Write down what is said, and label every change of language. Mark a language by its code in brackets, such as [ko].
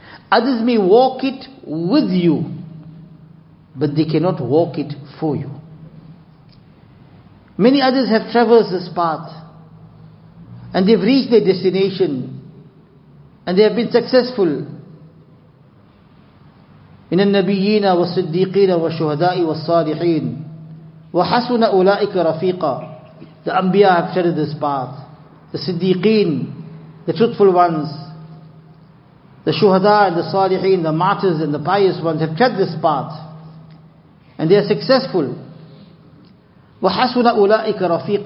[en] Others may walk it with you, but they cannot walk it for you. Many others have traversed this path and they've reached their destination and they have been successful. [ar] من النبيين والصديقين والشهداء والصالحين وحسن أولئك رفيقا. [en] The Anbiya have treaded this path. The Siddiqeen, the truthful ones, the Shuhada and the Salihin, the martyrs and the pious ones have treaded this path. And they are successful. [ar] وحسن أولئك رفيقا.